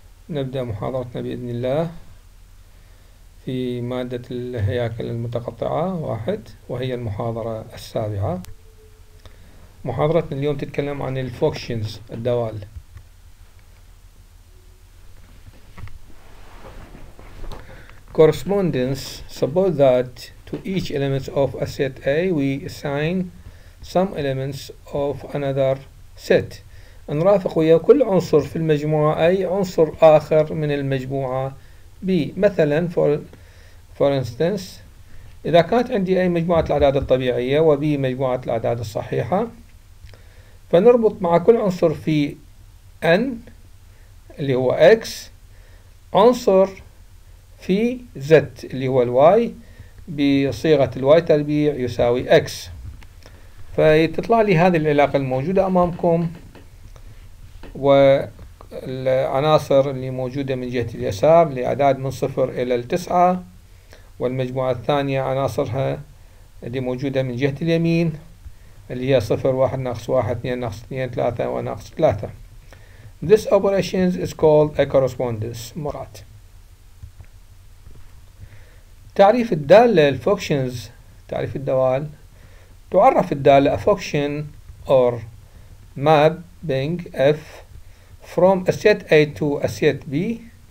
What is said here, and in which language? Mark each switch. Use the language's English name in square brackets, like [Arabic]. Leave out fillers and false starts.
[Arabic] نبدأ محاضرتنا بإذن الله في مادة الهياكل المتقطعة واحد، وهي المحاضرة السابعة. محاضرتنا اليوم تتكلم عن الفوكشنز، الدوال. [English] Correspondence: suppose that to each element of a set A we assign some elements of another set. [Arabic] نرافق ويا كل عنصر في المجموعة أي عنصر آخر من المجموعة B. مثلا [English] for instance، [Arabic] إذا كانت عندي A مجموعة الأعداد الطبيعية و B مجموعة الأعداد الصحيحة، فنربط مع كل عنصر في N اللي هو X عنصر في Z اللي هو الواي بصيغة الواي تربيع يساوي X، فتطلع لي هذه العلاقة الموجودة أمامكم والعناصر اللي موجودة من جهة اليسار لأعداد من 0 إلى 9، والمجموعة الثانية عناصرها اللي موجودة من جهة اليمين اللي هي 0 1 ناقص 1 2 ناقص 2 3 وناقص 3. [English] This operation is called a correspondence. [Arabic] مرات تعريف الدالة الفوكشنز، تعريف الدوال: تعرف الدالة [English] a function or mapping f from a set A to a set B.